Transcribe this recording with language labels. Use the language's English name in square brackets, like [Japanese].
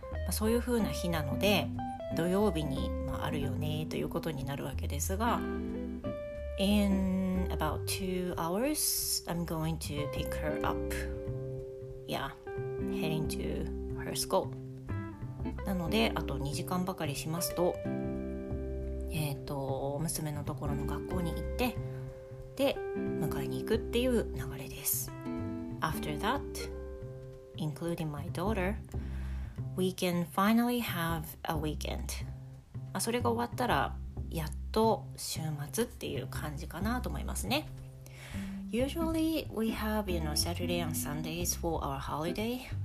[Japanese] そういう風な日なので土曜日にあるよねということになるわけですが、 [English] In about 2 hours I'm going to pick her up. Yeah, heading to her school. [Japanese] なのであと2時間ばかりしますと、娘のところの学校に行ってで迎えに行くっていう流れです。 [English] After that, including my daughterWe can finally have a weekend. [Japanese] それが終わったらやっと週末っていう感じかなと思いますね。 [English] Usually we have, you know, Saturday and Sundays for our holiday.